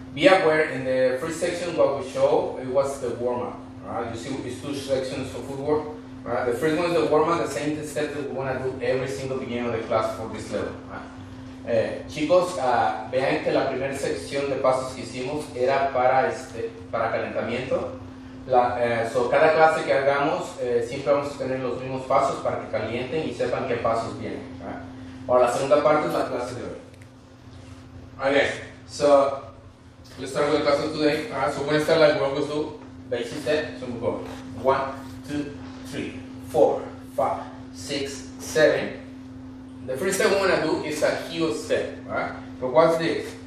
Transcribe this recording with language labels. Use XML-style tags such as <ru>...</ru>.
<en>Be aware, in the first section what we show, it was the warm-up. You see these two sections for footwork. The first one is the warm-up, the same step that we wanna do every single beginning of the class for this level.</en> <es>Chicos, vean que la primera sección de pasos que hicimos era para, para calentamiento. Cada clase que hagamos, siempre vamos a tener los mismos pasos para que calienten y sepan qué pasos vienen. Ahora, la segunda parte es la clase de hoy.</es> <en>Okay, so, let's start with the class of today. So, we're going to start like we always do. Basic step, so we'll go 1, 2, 3, 4, 5, 6, 7. The first step we want to do is a heel step, but watch this.</en>